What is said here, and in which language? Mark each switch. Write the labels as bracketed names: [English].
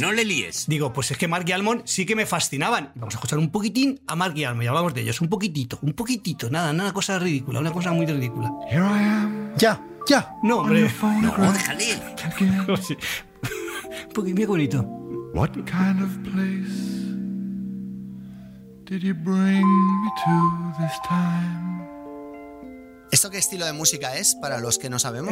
[Spanish] No le líes. Digo, pues es que Mark y Almond sí que me fascinaban. Vamos a escuchar un poquitín a Mark y Almond y hablamos de ellos. Un poquitito. Nada, una cosa ridícula, una cosa muy ridícula. [English] Here I am. [Spanish] Ya. No, hombre. No, déjale. Un poquito, mira qué bonito. [English] What kind of place did you bring me to this time? [Spanish] ¿Esto qué estilo de música es, para los que no sabemos?